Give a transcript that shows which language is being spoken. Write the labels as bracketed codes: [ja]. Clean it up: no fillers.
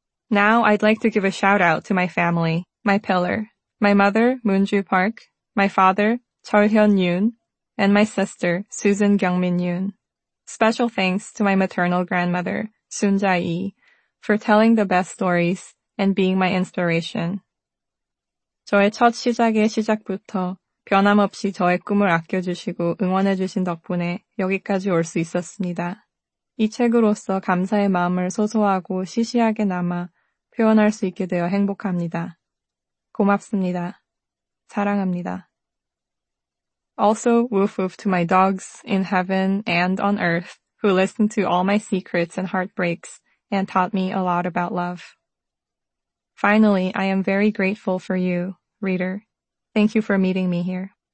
[en] Now I'd like to give a shout out to my family, my pillar, my mother, Moonju Park, my father, Cheol Hyun Yoon, and my sister, Susan Gyeongmin Yoon. Special thanks to my maternal grandmother, Sun Jae, for telling the best stories and being my inspiration. [ko] 저의 첫 시작의 시작부터 변함없이 저의 꿈을 아껴주시고 응원해주신 덕분에 여기까지 올 수 있었습니다. 이 책으로서 감사의 마음을 소소하고 시시하게 남아 표현할 수 있게 되어 행복합니다. 고맙습니다. 사랑합니다. [en] Also, woof woof to my dogs in heaven and on earth who listened to all my secrets and heartbreaks and taught me a lot about love. Finally, I am very grateful for you, reader. Thank you for meeting me here.